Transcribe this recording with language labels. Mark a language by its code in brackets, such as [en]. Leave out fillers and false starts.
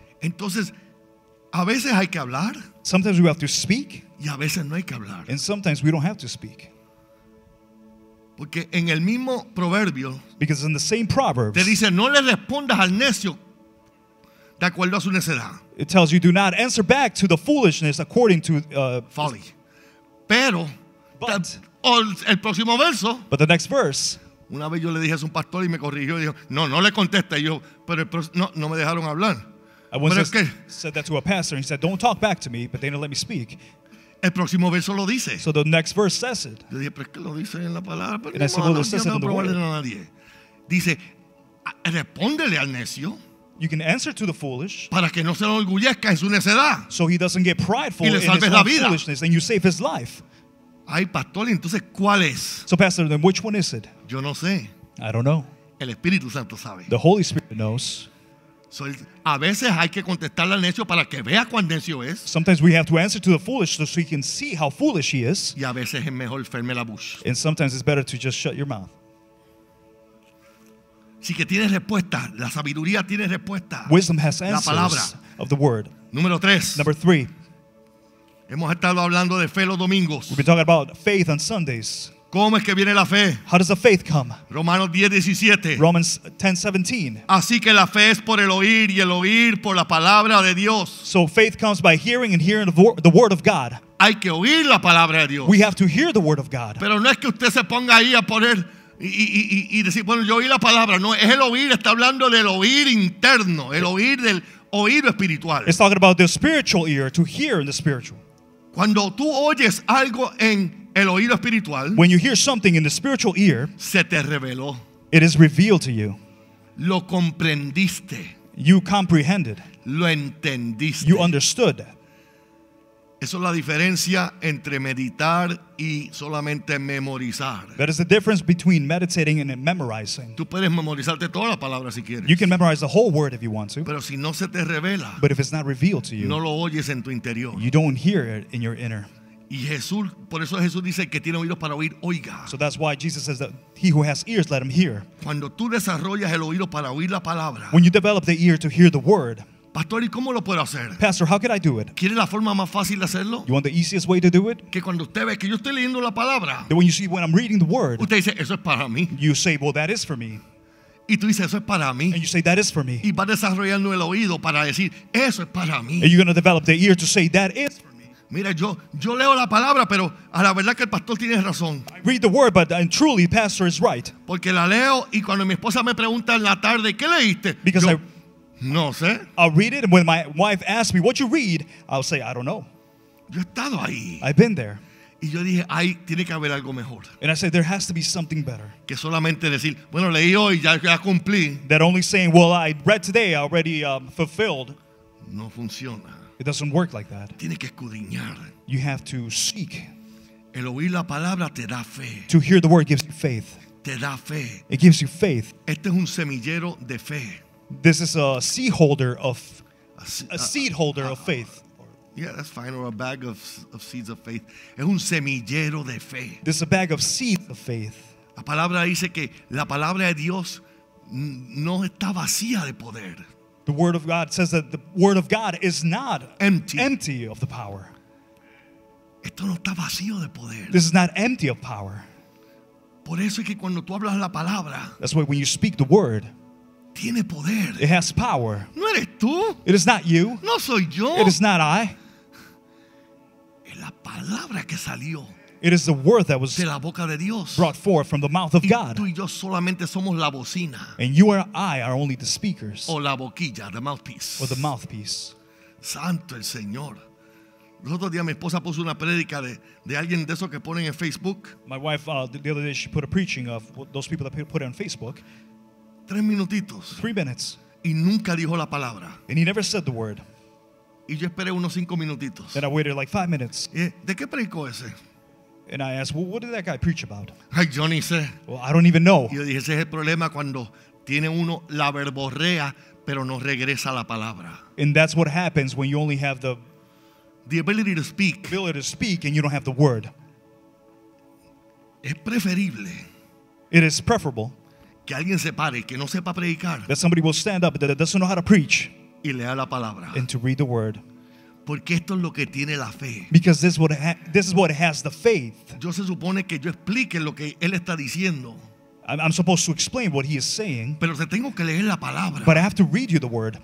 [es] Entonces, a veces hay que hablar. [en] Sometimes we have to speak. [es] Y a veces no hay que hablar. [en] And sometimes we don't have to speak. [es] Porque en el mismo proverbio. [en] Because in the same Proverbs. [es] Te dice, no le respondas al necio de acuerdo a su necedad. [en] It tells you, do not answer back to the foolishness according to [es] folly. Pero, el próximo verso. [en] But the next verse. [es] Una vez yo le dije a un pastor y me corrigió y dijo, no, no le conteste. Yo, pero el próximo, no me dejaron hablar. [en] I once said that to a pastor. And he said, don't talk back to me, but they didn't let me speak. [es] El próximo verso lo dice. [en] So the next verse says it. [es] Yo dije, pero es que lo dice en la palabra. [en] And I said, well, it says it in the word. [es] Dice, respóndele al necio. [en] You can answer to the foolish. [es] Para que no se orgullezca en su necedad. [en] So he doesn't get prideful in his own foolishness, and you save his life. [es] Ay, pastor, entonces, ¿cuál es? [en] So, pastor, then which one is it? [es] Yo no sé. [en] I don't know. [es] El Espíritu Santo sabe. [en] The Holy Spirit knows. [es] So, a veces hay que contestarle al necio para que vea cuán necio es. [en] Sometimes we have to answer to the foolish so he can see how foolish he is. [es] Y a veces es mejor ferme la boca. [en] And sometimes it's better to just shut your mouth. [es] Así que tiene respuesta. La sabiduría tiene respuesta. [en] Wisdom has answers. [es] La palabra. [en] Of the word. [es] Número tres. [en] Number three. [es] Hemos estado hablando de fe los domingos. [en] We've been talking about faith on Sundays. [es] ¿Cómo es que viene la fe? [en] How does the faith come? [es] Romanos 10:17. [en] Romans 10:17. [es] Así que la fe es por el oír y el oír por la palabra de Dios. [en] So faith comes by hearing and hearing the word of God. [es] Hay que oír la palabra de Dios. [en] We have to hear the word of God. [es] Pero no es que usted se ponga ahí a poner y decir, bueno, yo oí la palabra. No, es el oír, está hablando del oír interno, el oír del oído espiritual. [en] It's talking about the spiritual ear, to hear in the spiritual. [es] Cuando tú oyes algo en el oído espiritual, [en] when you hear something in the spiritual ear, [es] se te reveló. [en] It is revealed to you. [es] Lo comprendiste. [en] You comprehended. [es] Lo entendiste. [en] You understood. [es] Eso es la diferencia entre meditar y solamente memorizar. [en] That is the difference between meditating and memorizing. [es] Tú puedes memorizarte toda la palabra si quieres. [en] You can memorize the whole word if you want to. [es] Pero si no se te revela. [en] But if it's not revealed to you. [es] No lo oyes en tu interior. [en] You don't hear it in your inner. [es] Y Jesús, por eso Jesús dice que tiene oídos para oír, oiga. [en] So that's why Jesus says that he who has ears, let him hear. [es] Cuando tú desarrollas el oído para oír la palabra. [en] When you develop the ear to hear the word. [es] Pastor, ¿y cómo lo puedo hacer? [en] Pastor, how can I do it? [es] ¿Quiere la forma más fácil de hacerlo? [en] You want the easiest way to do it? [es] Que cuando usted ve que yo estoy leyendo la palabra. [en] That when you see when I'm reading the word. [es] Usted dice, eso es para mí. [en] You say, well, that is for me. [es] Y tú dices, eso es para mí. [en] And you say, that is for me. [es] Y vas desarrollando el oído para decir, eso es para mí. [en] And you're going to develop the ear to say, that is for me. [es] Mira, yo leo la palabra, pero a la verdad que el pastor tiene razón. [en] I read the word, but and truly, pastor is right. [es] Porque la leo, y cuando mi esposa me pregunta en la tarde, ¿qué leíste? [en] Because [es] no sé. [en] I'll read it, and when my wife asks me, what you read? I'll say, I don't know. [es] Yo he estado ahí. [en] I've been there. [es] Y yo dije, ahí tiene que haber algo mejor. [en] And I said, there has to be something better. [es] Que solamente decir, bueno, leí hoy, ya cumplí. [en] That only saying, well, I read today, I already fulfilled. [es] No funciona. [en] It doesn't work like that. [es] Tiene que escudriñar. [en] You have to seek. [es] El oír la palabra te da fe. [en] To hear the word gives you faith. [es] Te da fe. [en] It gives you faith. [es] Este es un semillero de fe. [en] This is a seed holder of faith. Yeah, that's fine. Or a bag of seeds of faith. [es] Es un semillero de fe. [en] This is a bag of seeds of faith. [es] La palabra dice que la palabra de Dios no está vacía de poder. [en] The word of God says that the word of God is not empty of the power. [es] Esto no está vacío de poder. [en] This is not empty of power. [es] Por eso es que cuando tú hablas la palabra, [en] that's why when you speak the word, [es] tiene poder. [en] It has power. [es] No eres tú. [en] It is not you. [es] No soy yo. [en] It is not I. [es] Es la palabra que salió. [en] It is the word that was [es] de la boca de Dios. [en] Brought forth from the mouth of [es] y [en] God. [es] Tú y yo solamente somos la bocina. [en] And you and I are only the speakers. [es] O la boquilla, [en] the mouthpiece. Or the mouthpiece. [es] Santo el Señor. El otro día mi esposa puso una prédica de alguien de esos que ponen en Facebook. [en] My wife, the other day she put a preaching of those people that put it on Facebook. [es] 3 minutitos. [en] 3 minutes. [es] Y nunca dijo la palabra. [en] And he never said the word. [es] Y yo esperé unos 5 minutitos. [en] And I waited like 5 minutes. [es] ¿De qué predicó ese? [en] And I asked, well, what did that guy preach about? [es] Ay, yo ni sé. [en] Well, I don't even know. [es] Y yo dije, ese es el problema cuando tiene uno la verborrea, pero no regresa la palabra. [en] And that's what happens when you only have the ability to speak and you don't have the word. [es] Es preferible. [en] It is preferable. [es] Que alguien se pare, que no sepa predicar. [en] That somebody will stand up that doesn't know how to preach. [es] Y lea la palabra. [en] And to read the word. [es] Porque esto es lo que tiene la fe. [en] Because this is what has the faith. [es] Yo se supone que yo explique lo que él está diciendo. [en] I'm supposed to explain what he is saying. [es] Pero te tengo que leer la palabra. [en] But I have to read you the word.